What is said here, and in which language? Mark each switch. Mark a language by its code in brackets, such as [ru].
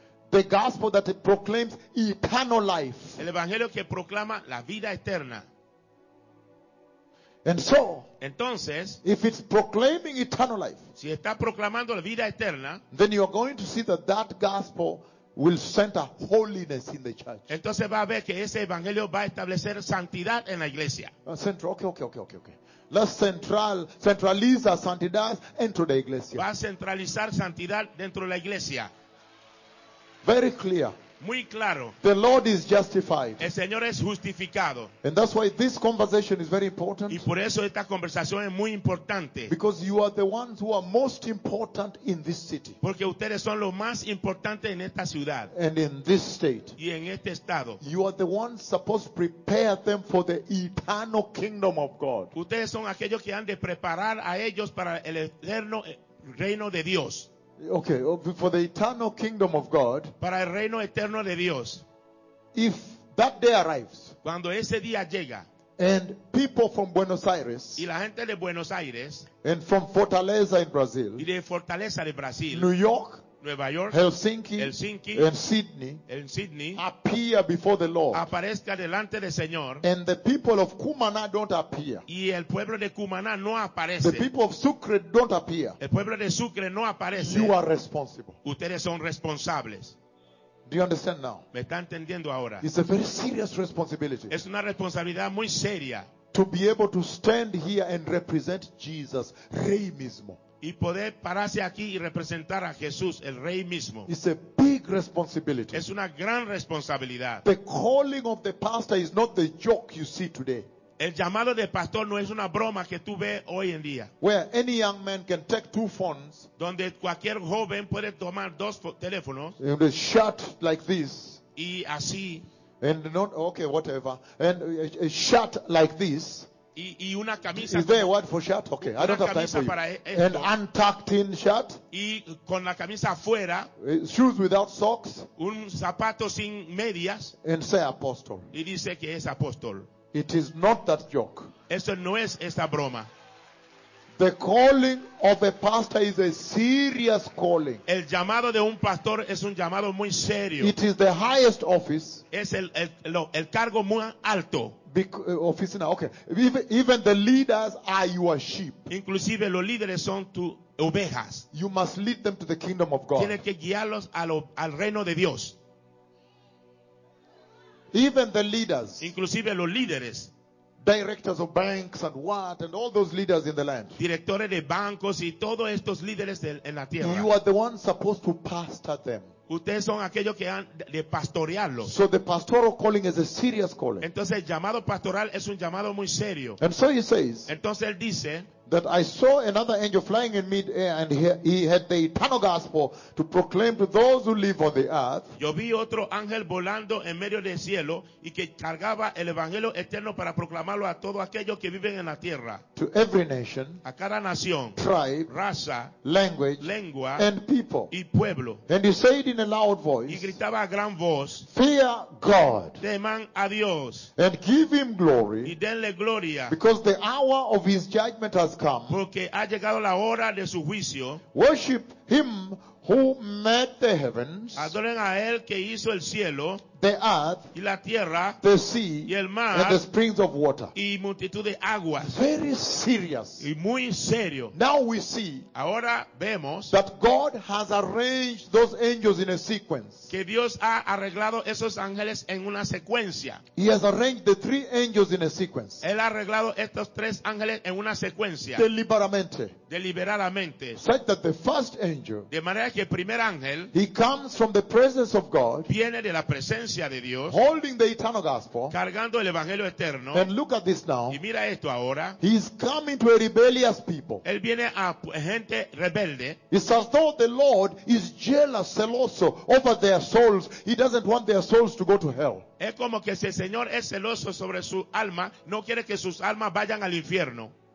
[en] The gospel that it proclaims eternal life. [es] El evangelio que proclama la vida eterna. [en] And so, [es] entonces, [en] if it's proclaiming eternal life, [es] si está proclamando la vida eterna, [en] then you are going to see that gospel will center holiness in the church. [es] Entonces va a ver que ese evangelio va a establecer santidad en la iglesia. [en] Central. Okay. Let's centralize santidad into the iglesia. [es] Va a centralizar santidad dentro de la iglesia. [en] Very clear. [es] Muy claro. [en] The Lord is justified. [es] El Señor es justificado. [en] And that's why this conversation is very important. [es] Y por eso esta conversación es muy importante. [en] Because you are the ones who are most important in this city. [es] Porque ustedes son los más importantes en esta ciudad. [en] And in this state. [es] Y en este estado. [en] You are the ones supposed to prepare them for the eternal kingdom of God. [es] Ustedes son aquellos que han de preparar a ellos para el eterno reino de Dios. [en] Okay, for the eternal kingdom of God. [es] Para el reino eterno de Dios. [en] If that day arrives. [es] Cuando ese día llega. [en] And people from Buenos Aires. [es] Y la gente de Buenos Aires. [en] And from Fortaleza in Brazil. [es] Y de Fortaleza de Brasil. [en] New York. [es] Nueva York. [en] Helsinki. And Sydney. [es] En Sydney. [en] Appear before the Lord. [es] Aparezca delante del Señor. [en] And the people of Cumaná don't appear. [es] Y el pueblo de Cumaná no aparece. [en] The people of Sucre don't appear. [es] El pueblo de Sucre no aparece. [en] You are responsible. [es] Ustedes son responsables. [en] Do you understand now? [es] ¿Me está entendiendo ahora? [en] It's a very serious responsibility. [es] Es una responsabilidad muy seria. [en] To be able to stand here and represent Jesus, [es] Rey mismo. y poder pararse aquí y representar a Jesús, el Rey mismo. [en] It's a big responsibility. [es] Es una gran responsabilidad. [en] The calling of the pastor is not the joke you see today. [es] El llamado del pastor no es una broma que tú ves hoy en día. [en] Where any young man can take two phones, [es] donde cualquier joven puede tomar dos teléfonos, [en] and they shut like this, [es] y así, [en] and not okay, whatever, and a shirt like this. [es] Y una camisa. [en] Is there a word for shirt? Okay, I don't have time for you. An untucked in shirt. [es] Y con la camisa afuera. [en] Shoes without socks. [es] Un zapato sin medias. [en] And say apostle. [es] Y dice que es apóstol. [en] It is not that joke. [es] Eso no es esta broma. [en] The calling of a pastor is a serious calling. [es] El llamado de un pastor es un llamado muy serio. [en] It is the highest office. [es] Es el cargo muy alto. [en] Office now. Okay. Even the leaders are your sheep. [es] Inclusive los líderes son tus ovejas. [en] You must lead them to the kingdom of God. [es] Tienes que guiarlos al reino de Dios. [en] Even the leaders. [es] Inclusive los líderes. [en] Directors of banks and what and all those leaders in the land. [es] Directores de bancos y todos estos líderes en la tierra. [en] You are the one supposed to pastor them. [es] Ustedes son aquellos que han de pastorearlos. [en] So the pastoral calling is a serious calling. [es] Entonces el llamado pastoral es un llamado muy serio. [en] And so he says. [es] Entonces él dice. [en] That I saw another angel flying in mid-air, and he had the eternal gospel to proclaim to those who live on the earth. [es] Yo vi otro ángel volando en medio del cielo y que cargaba el evangelio eterno para proclamarlo a todos aquellos que viven en la tierra. [en] To every nation, [es] a cada nación, [en] tribe, [es] raza, [en] language, [es] lengua, [en] and people, [es] y pueblo. [en] And he said in a loud voice, [es] y gritaba a gran voz, [en] fear God, [es] teman a Dios, [en] and give him glory, [es] y denle gloria, [en] because the hour of his judgment has come. [es] Porque ha llegado la hora de su juicio. [en] Worship him who made the heavens. [es] Adoren a él que hizo el cielo, [en] the earth, [es] y la tierra, [en] the sea, [es] y el mar, [en] and the springs of water. [es] Y multitud de aguas. [en] Very serious. [es] Y muy serio. [en] Now we see. [es] Ahora vemos [en] that God has arranged those angels in a sequence. [es] Que Dios ha arreglado esos ángeles en una secuencia. [en] He has arranged the three angels in a sequence. [es] Él ha arreglado estos tres ángeles en una secuencia. Deliberadamente. Deliberadamente. [en] Said that the first angel. [es] De manera que el primer ángel. [en] He comes from the presence of God. [es] Viene de la presencia de Dios. [en] Holding the eternal gospel. [es] Cargando el evangelio eterno. [en] And look at this now. [es] Y mira esto ahora. [en] He is coming to a rebellious people. [es] Él viene a gente rebelde. [en] It's as though the Lord is jealous, celoso over their souls. He doesn't want their souls to go to hell. [es] Es como que si el Señor es celoso sobre su alma, no quiere que sus almas vayan al infierno.